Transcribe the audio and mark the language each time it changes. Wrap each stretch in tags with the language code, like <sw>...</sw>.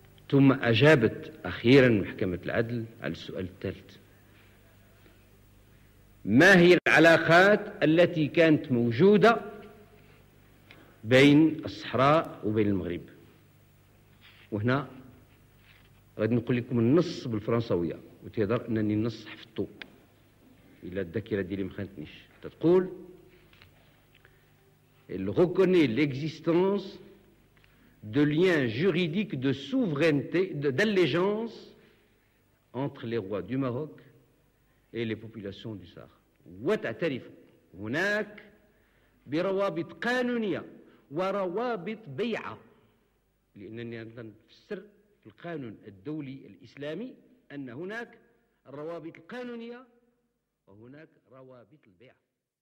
<ar>ثم أجابت أخيرا محكمة العدل على السؤال الثالث، ما هي العلاقات التي كانت موجودة بين الصحراء وبين المغرب؟ وهنا غادي نقول لكم النص بالفرنسوية وتهضر أنني النص حفظته إلا الذاكرة ديالي ما خانتنيش. تقول</ar> <fr>elle reconnaît l'existence de liens juridiques de souveraineté, d'allégeance entre les rois du Maroc et les populations du Sahara.</fr> <ar>وتعترف هناك بروابط قانونية وروابط بيعة، لأنني نفسر في القانون الدولي الإسلامي أن هناك الروابط القانونية وهناك روابط البيعة.</ar>